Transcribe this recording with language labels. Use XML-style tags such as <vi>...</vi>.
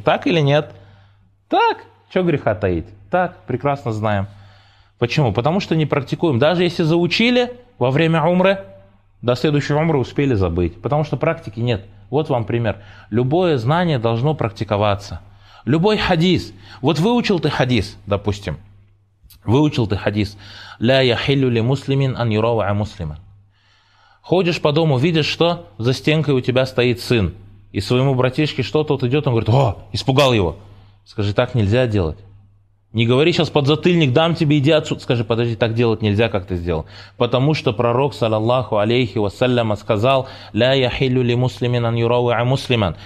<ru>Так или нет? Так. Чего греха таить? Так, прекрасно знаем. Почему? Потому что не практикуем. Даже если заучили во время умры, до следующей умры успели забыть. Потому что практики нет. Вот вам пример. Любое знание должно практиковаться. Любой хадис. Вот выучил ты хадис, допустим. Выучил ты хадис.</ru> <ar>لا يحل لمسلم أن يروع مسلما.</ar> <ru>Ходишь по дому, видишь, что за стенкой у тебя стоит сын. И своему братишке что, тот идет, он говорит, о, испугал его. Скажи, так нельзя делать. Не говори сейчас подзатыльник, дам тебе, иди отсюда. Скажи, подожди, так делать нельзя, как ты сделал. Потому что пророк, саллаллаху алейхи вассаляма, сказал,</ru> <ar>«Ля яхиллю ли муслимин ан юрауиа муслиман».</ar>